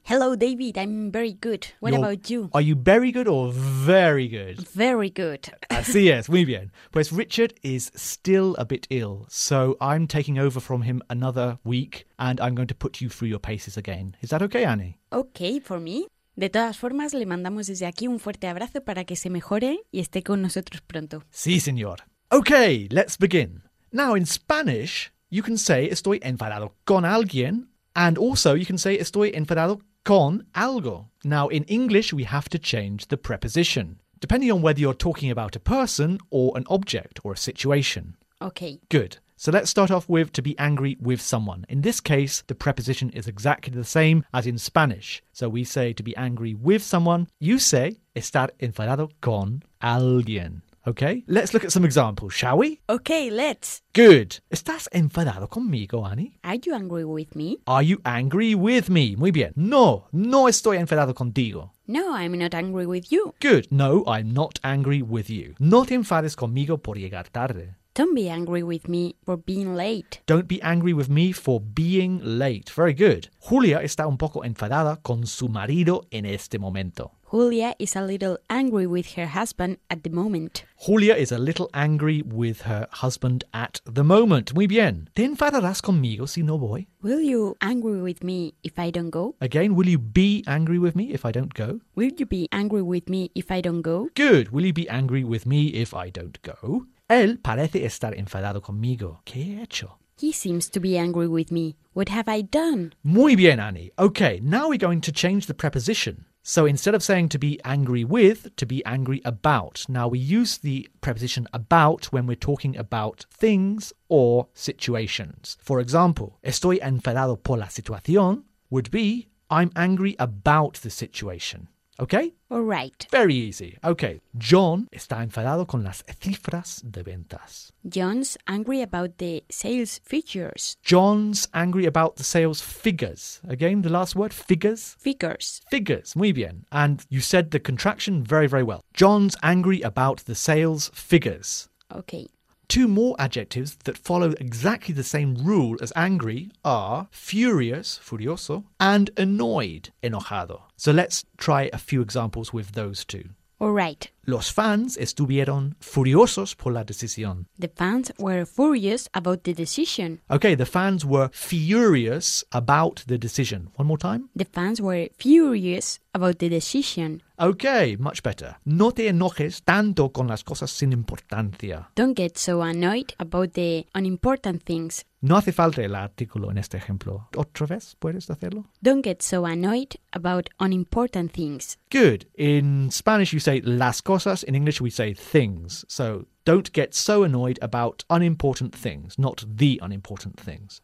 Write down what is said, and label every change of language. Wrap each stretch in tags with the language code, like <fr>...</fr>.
<en>Hello, David. I'm very good. What about you? Are you very good or very good? Very good.</en> <es>Así es. Muy bien.</es> <en>Pues Richard is still a bit ill, so I'm taking over from him another week and I'm going to put you through your paces again. Is that okay, Annie? Okay, for me.</en> <es>De todas formas, le mandamos desde aquí un fuerte abrazo para que se mejore y esté con nosotros pronto. Sí, señor.</es> <en>Okay, let's begin. Now, in Spanish, you can say</en> <es>estoy enfadado con alguien,</es> <en>and also you can say</en> <es>estoy enfadado con algo.</es> <en>Now, in English, we have to change the preposition, depending on whether you're talking about a person or an object or a situation. Okay. Good. So let's start off with to be angry with someone. In this case, the preposition is exactly the same as in Spanish. So we say to be angry with someone, you say</en> <es>estar enfadado con alguien.</es> <en>Okay, let's look at some examples, shall we? Okay, let's. Good.</en> <es>¿Estás enfadado conmigo, Annie?</es> <en>Are you angry with me? Are you angry with me?</en> <es>Muy bien. No, no estoy enfadado contigo.</es> <en>No, I'm not angry with you. Good. No, I'm not angry with you. No te enfades conmigo por llegar tarde. Don't be angry with me for being late. Don't be angry with me for being late. Very good.</en> <es>Julia está un poco enfadada con su marido en este momento.</es> <en>Julia is a little angry with her husband at the moment. Julia is a little angry with her husband at the moment.</en> <es>Muy bien. ¿Te enfadarás conmigo si no voy?</es> <en>Will you angry with me if I don't go? Again, will you be angry with me if I don't go? Will you be angry with me if I don't go? Good. Will you be angry with me if I don't go?</en> <es>Él parece estar enfadado conmigo. ¿Qué he hecho?</es> <en>He seems to be angry with me. What have I done?</en> <es>Muy bien, Annie.</es> <en>Okay, now we're going to change the preposition. So instead of saying to be angry with, to be angry about. Now we use the preposition about when we're talking about things or situations. For example,</en> <es>estoy enfadado por la situación</es> <en>would be I'm angry about the situation. Okay? All right. Very easy. Okay. John está enfadado con las cifras de ventas. John's angry about the sales figures. John's angry about the sales figures. Again, the last word, figures. Figures. Figures.</en> <es>Muy bien.</es> <en>And you said the contraction very, very well. John's angry about the sales figures. Okay. Two more adjectives that follow exactly the same rule as angry are furious, furioso, and annoyed, enojado. So let's try a few examples with those two. All right.</en> <es>Los fans estuvieron furiosos por la decisión.</es> <en>The fans were furious about the decision. Okay, the fans were furious about the decision. One more time. The fans were furious about the decision. Okay, much better.</en> <es>No te enojes tanto con las cosas sin importancia.</es> <en>Don't get so annoyed about the unimportant things.</en> <es>No hace falta el artículo en este ejemplo. ¿Otra vez puedes hacerlo?</es> <en>Don't get so annoyed about unimportant things. Good. In Spanish you say</en> <es>las cosas.</es> <en>In English we say things. So don't get so annoyed about unimportant things, not the unimportant things.</en>